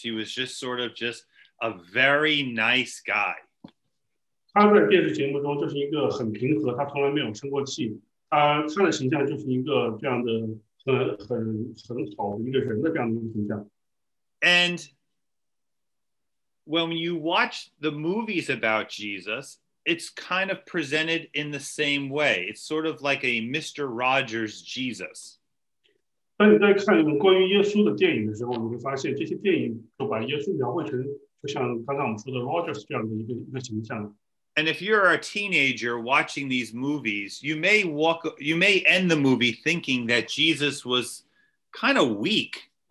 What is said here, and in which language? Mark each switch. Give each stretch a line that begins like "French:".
English: He was just sort of just a very nice guy.
Chinese: 他在电视节目中就是一个很平和，他从来没有生过气。他上的形象就是一个这样的很好的一个人的这样的形象。
English: And when you watch the movies about Jesus, it's kind of presented in the same way. It's sort of like a Mr. Rogers Jesus.
Chinese: 当你在看关于耶稣的电影的时候，你会发现这些电影都把耶稣描绘成就像刚刚我们说的Rogers这样的一个形象。
English: And if you're a teenager watching these movies, you may end the movie thinking that Jesus was kind of weak.